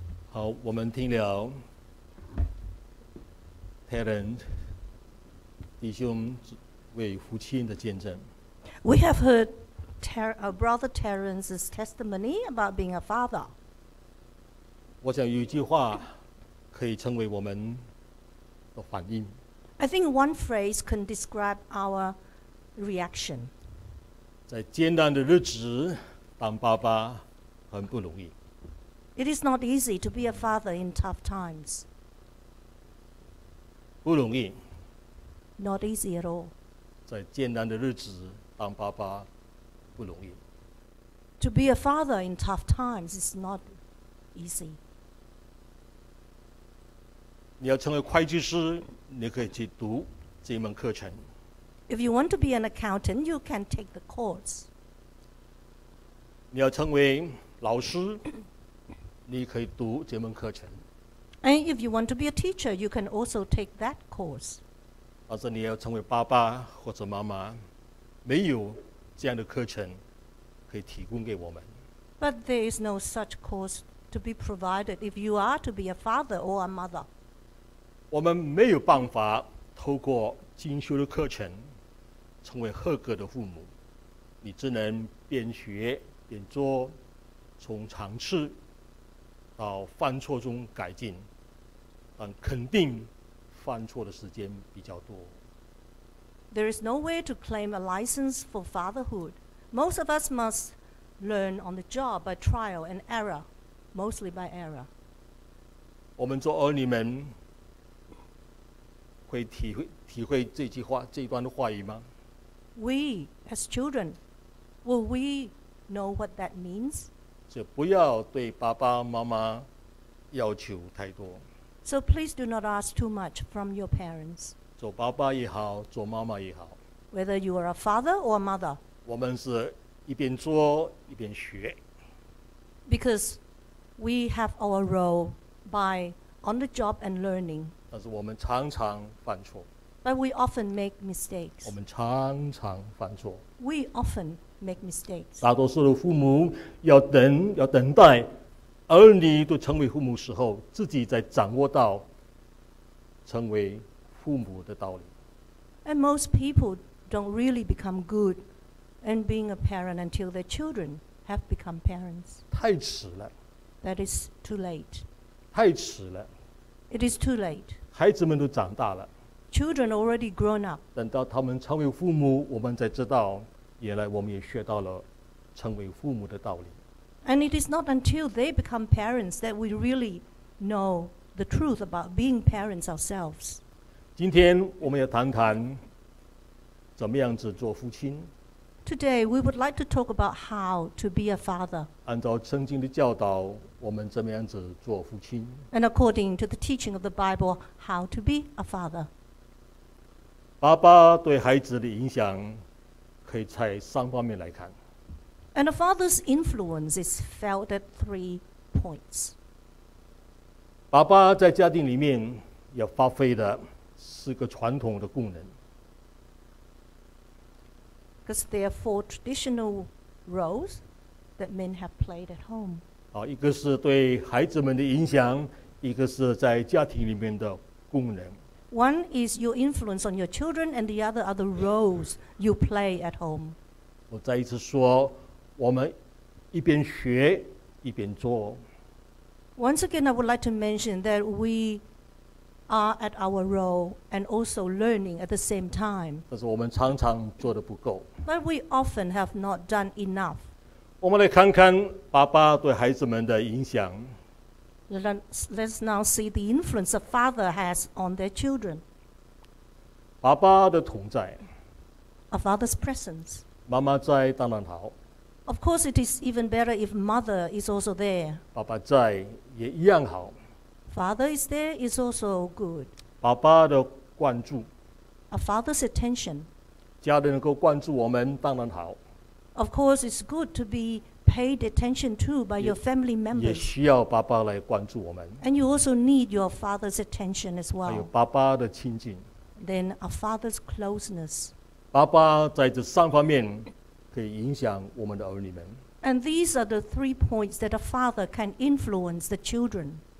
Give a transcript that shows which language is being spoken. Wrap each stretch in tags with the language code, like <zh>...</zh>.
<zh>好，我们听了 Terence 弟兄为父亲的见证。</zh> <en>We have heard Brother Terence's testimony about being a father.</en> <zh>我想有一句话可以成为我们的反应。</zh> <en>I think one phrase can describe our reaction.</en> <zh>在艰难的日子当爸爸很不容易。</zh> <en>It is not easy to be a father in tough times.</en> <zh>不容易。</zh> <en>Not easy at all.</en> <zh>在艰难的日子当爸爸不容易。</zh> <en>To be a father in tough times is not easy.</en> <zh>你要成为会计师，你可以去读这门课程。</zh> <en>If you want to be an accountant, you can take the course.</en> <zh>你要成为老师，你可以读这门课程。</zh> <en>And if you want to be a teacher, you can also take that course.</en> <zh>但是你要成为爸爸或者妈妈，没有这样的课程可以提供给我们。</zh> <en>But there is no such course to be provided if you are to be a father or a mother.</en> <zh>我们没有办法透过进修的课程成为合格的父母，你只能边学边做，从尝试到犯错中改进，但肯定犯错的时间比较多。</zh> <en>There is no way to claim a license for fatherhood. Most of us must learn on the job by trial and error, mostly by error.</en> <zh>我们做儿女们会体会这句话这段话语吗？</zh> <en>We as children, will we know what that means?</en> <zh>就不要对爸爸妈妈要求太多。</zh> <en>So please do not ask too much from your parents.</en> <zh>做爸爸也好，做妈妈也好。</zh> <en>Whether you are a father or a mother.</en> <zh>我们是一边做一边学。</zh> <en>Because we have our role by on the job and learning.</en> <zh>但是我们常常犯错。</zh> <en>But we often make mistakes.</en> <zh>我们常常犯错。</zh> <en>We often make mistakes.</en> <zh>大多数的父母要等待儿女都成为父母时候，自己才掌握到成为父母的道理。</zh> <en>And most people don't really become good in being a parent until their children have become parents.</en> <zh>太迟了。</zh> <en>That is too late.</en> <zh>太迟了。</zh> <en>It is too late.</en> <zh>孩子们都长大了。</zh> <en>Children already grown up.</en> <zh>等到他们成为父母，我们才知道，原来我们也学到了成为父母的道理。</zh> <en>And it is not until they become parents that we really know the truth about being parents ourselves.</en> <zh>今天我们要谈谈怎么样子做父亲。</zh> <en>Today we would like to talk about how to be a father.</en> <zh>按照圣经的教导，我们怎么样子做父亲。</zh> <en>And according to the teaching of the Bible, how to be a father.</en> <zh>爸爸对孩子的影响可以在三方面来看。</zh> <en>And a father's influence is felt at three points.</en> <zh>爸爸在家庭里面要发挥的是个传统的功能。</zh> <en>Because there are four traditional roles that men have played at home.</en> <zh>一个是对孩子们的影响，一个是在家庭里面的功能。</zh> <en>One is your influence on your children, and the other are the roles you play at home.</en> <zh>我再一次说，我们一边学一边做。</zh> <en>Once again, I would like to mention that we. Are at our role and also learning at the same time.</en> <zh>但是我们常常做得不够。</zh> <en>But we often have not done enough.</en> <zh>我们来看看爸爸对孩子们的影响。</zh> <en>Let's now see the influence a father has on their children.</en> <zh>爸爸的同在。</zh> <en>A father's presence.</en> <zh>妈妈在当然好。</zh> <en>Of course, it is even better if mother is also there.</en> <zh>爸爸在也一样好。</zh> <en>Father is there, is also good.</en> <zh>爸爸的关注。</zh> <en>A father's attention.</en> <zh>家人能够关注我们，当然好。</zh> <en>Of course, it's good to be paid attention to by your family members.</en> <zh>也需要爸爸来关注我们。</zh> <en>And you also need your father's attention as well.</en> <zh>还有爸爸的亲近。</zh> <en>Then a father's closeness.</en> <zh>爸爸在这三方面可以影响我们的儿女们。</zh> <en>And these are the three points that a father can influence the children.</en>